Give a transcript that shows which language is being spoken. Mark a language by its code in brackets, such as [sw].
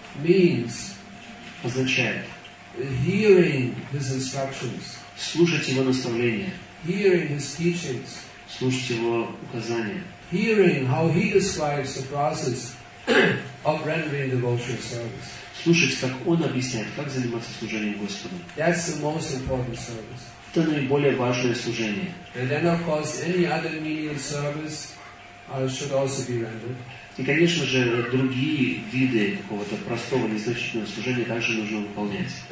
[en] means [ru] означает [en] hearing his instructions, [ru] слушать его наставления, [en] hearing his teachings, [ru] слушать его указания, [en] hearing how he describes the process of rendering devotional service, [ru] слушать, как он объясняет, как заниматься служением Господу. [en] That's the most important service. [ru] Это наиболее важное служение. [en] And then of course any other menial service should also be rendered. [ru] И, конечно же, другие виды какого-то простого, незначительного служения также нужно выполнять.